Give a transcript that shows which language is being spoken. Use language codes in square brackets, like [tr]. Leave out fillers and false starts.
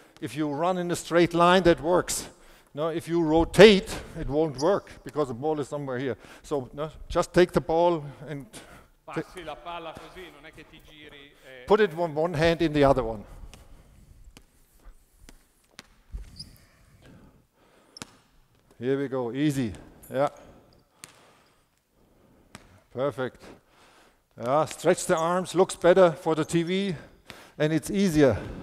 [en] If you run in a straight line, that works. No, if you rotate, it won't work because the ball is somewhere here. So no, just take the ball and [it] passi la palla così, non è che ti giri, [en] put it on one hand in the other one. Here we go, easy. Yeah. Perfect. Yeah, stretch the arms, looks better for the TV, and it's easier.